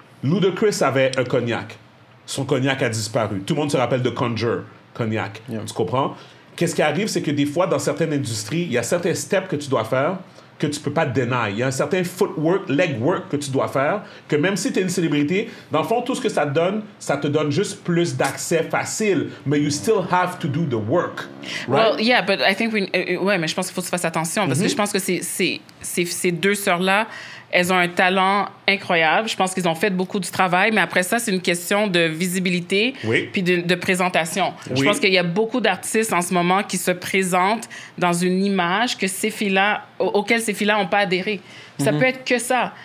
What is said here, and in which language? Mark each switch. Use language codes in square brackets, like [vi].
[fr] Ludacris avait un cognac, son cognac a disparu. Tout le monde se rappelle de Conjure, cognac. Yeah. Tu comprends? Qu'est-ce qui arrive, c'est que des fois, dans certaines industries, il y a certains steps que tu dois faire que tu ne peux pas deny. Il y a un certain footwork, legwork que tu dois faire, que même si tu es une célébrité, dans le fond, tout ce que ça te donne juste plus d'accès facile. Mais [en] you still have to do the work. Right? Well, yeah, but I think we... [fr] ouais, mais je pense qu'il faut que tu fasses attention, parce mm-hmm. que je pense que ces deux sœurs-là, elles ont un talent incroyable. Je pense qu'ils ont fait beaucoup du travail, mais après ça, c'est une question de visibilité oui. puis de présentation. Oui. Je pense qu'il y a beaucoup d'artistes en ce moment qui se présentent dans une image que ces filles-là, auxquelles ces filles-là n'ont pas adhéré. Mm-hmm. Ça peut être que ça.